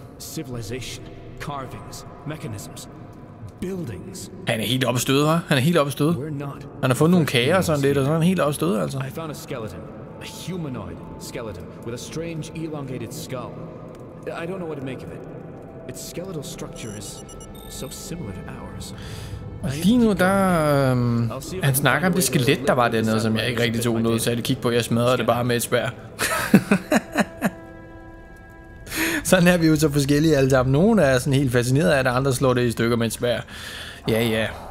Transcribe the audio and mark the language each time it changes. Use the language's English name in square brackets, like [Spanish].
[English] Civilization, carvings, mechanisms. [Danish] Buildings. Han er helt oppe at støde, hva'? Han er helt oppe at støde. Han har fundet nogle kager og sådan lidt, og så er han helt oppe at støde, altså. [English] I found a skeleton. A humanoid skeleton with a strange elongated skull. I don't know what to make of it. Its skeletal structure is so similar to ours. [Danish] Og lige nu, der... han snakker om det skelet, der var dernede, som jeg ikke rigtig tog noget, så jeg kiggede på, at jeg smadrede det bare med et spær. Sådan er vi jo så forskellige alle sammen. Nogle er sådan helt fascineret af det, andre slår det i stykker med et spær. Ja, ja.